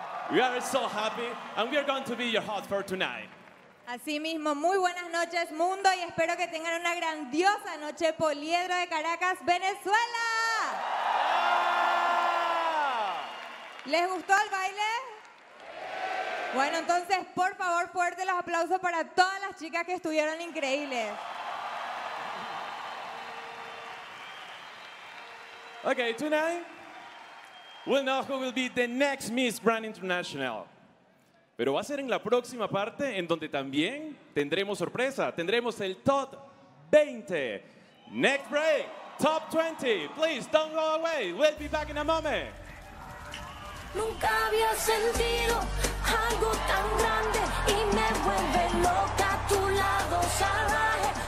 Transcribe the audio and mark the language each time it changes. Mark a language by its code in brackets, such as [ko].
[en] We are so happy and we are going to be your host for tonight. [es] Así mismo, muy buenas noches, mundo, y espero que tengan una grandiosa noche, Poliedro de Caracas, Venezuela. ¿Les gustó el baile? Bueno, entonces, por favor, fuerte los aplausos para todas las chicas que estuvieron increíbles. [en] Okay, tonight we'll know who will be the next Miss Grand International. [es] Pero va a ser en la próxima parte en donde también tendremos sorpresa. Tendremos el top 20. [en] Next break, top 20. Please don't go away. We'll be back in a moment. [es] Nunca había sentido algo tan grande y me vuelve loca a tu lado salvaje.